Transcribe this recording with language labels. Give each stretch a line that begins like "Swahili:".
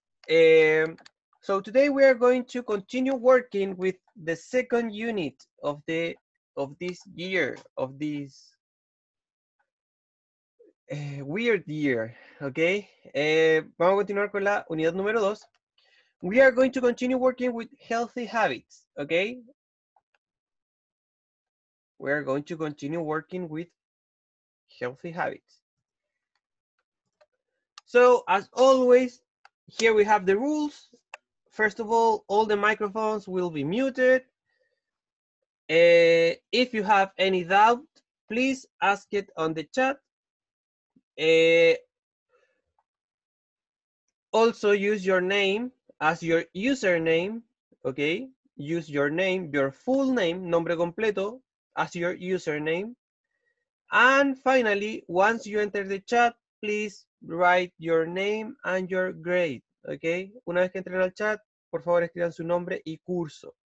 English: So today we are going to continue working with the second unit of the of this year, of this weird year. Okay.
Spanish: Vamos a continuar con la unidad número dos.
English: We are going to continue working with healthy habits. Okay. We are going to continue working with healthy habits. So as always, here we have the rules. First of all the microphones will be muted. If you have any doubt, please ask it on the chat. Also use your name as your username, okay? Use your name, your full name,
Spanish: nombre completo,
English: as your username. And finally, once you enter the chat, please write your name and your grade, okay?
Spanish: Una vez que entren al chat, por favor escriban su nombre y curso.